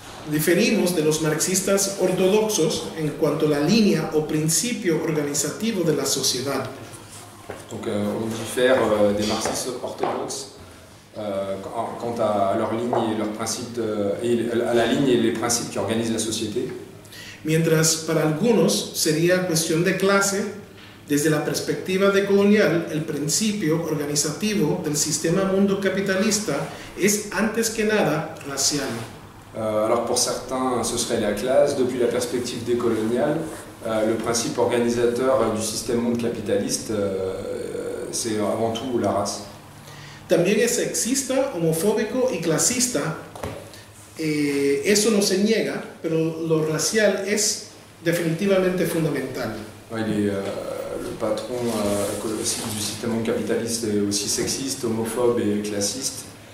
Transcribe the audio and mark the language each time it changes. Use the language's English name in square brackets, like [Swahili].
[Spanish] Diferimos de los marxistas ortodoxos en cuanto a la línea o principio organizativo de la sociedad. [French] Donc, on diffère des marxistes orthodoxes quant à leur ligne et leurs principes, à la ligne et les principes qui organisent la société. [Spanish] Mientras para algunos sería cuestión de clase, desde la perspectiva de colonial, el principio organizativo del sistema mundo capitalista es antes que nada racial. [French] Alors pour certains ce serait la classe, depuis la perspective décoloniale, le principe organisateur du système monde capitaliste c'est avant tout la race. [Spanish] También es sexista, homofóbico y clasista. Eso no se niega, pero lo racial es definitivamente fundamental. [French] Oui, le patron du système monde capitaliste est aussi sexiste, homophobe et classiste.